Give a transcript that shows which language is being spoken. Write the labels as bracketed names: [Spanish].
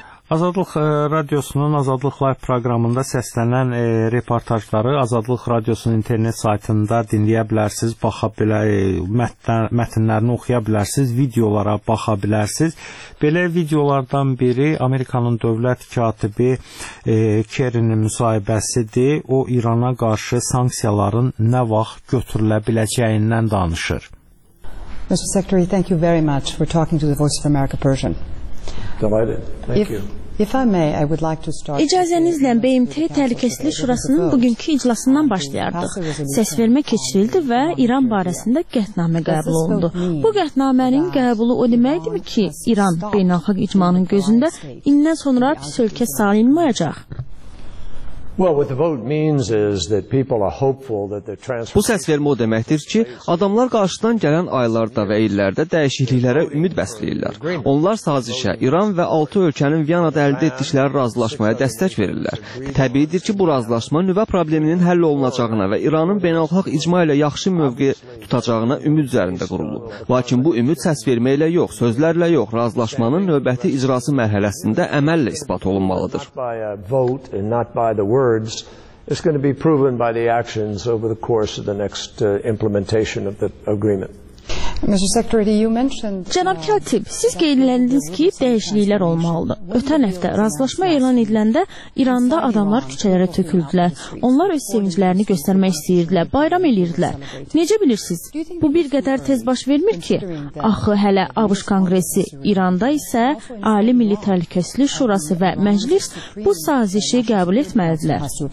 [Azerbaijani] Azadlıq Radiosunun Azadlıq Live proqramında səslənən reportajları Azadlıq Radiosunun internet saytında dinləyə bilərsiniz, baxa mətnlərini oxuya bilərsiniz, videolara baxa bilərsiniz. Belə videolardan biri Amerikanın dövlət katibi Kerinin müsahibəsidir. O, İrana qarşı sanksiyaların nə vaxt götürülə biləcəyindən danışır. [English] Mr. Secretary, thank you very much for talking to the Voice of America Persian. Delighted. Thank you. [Azerbaijani] İcazənizlə BMT Təhlükəsizlik Şurasının bugünkü iclasından başlayardıq. Səs vermə keçirildi və İran barəsində qətnamə qəbul olundu. Bu qətnamənin qəbulu o deməkdir ki, İran beynəlxalq icmanın gözündə indən sonra pis ölkə sayılmayacaq. [English] Well, what the vote means is that people are hopeful that the [Azerbaijani] Bu səs vermə o deməkdir ki, adamlar qarşıdan gələn aylarda və illərdə dəyişikliklərə ümid bəsləyirlər. Onlar sazişə, İran və 6 ölkənin Viyanada əldə etdikləri razılaşmaya dəstək verirlər. Təbiidir ki, bu razılaşma nüvə probleminin həll olunacağına və İranın beynəlxalq icma ilə yaxşı mövqe tutacağına ümid üzərində qurulub. Lakin bu ümid səs vermə ilə yox, sözlərlə yox, razılaşmanın növbəti icrası mərhələsində əməllə isbat olunmalıdır. [English] Words is going to be proven by the actions over the course of the next implementation of the agreement. Mr. Secretary, you mentioned [Azerbaijani] Cənab Katib, siz qeyd etdiniz ki, dəyişikliklər olmalıdır. Ötən həftə razılaşma elan ediləndə İranda adamlar küçələrə töküldülər. Onlar öz sevinclərini göstərmək istəyirdilər, bayram eləyirdilər. Necə bilirsiniz? Bu bir qədər tez baş vermir ki? Axı hələ ABŞ Konqresi İranda isə Ali Milli Təhlükəsizlik Şurası və Məclis bu sazişi qəbul etməlidirlər.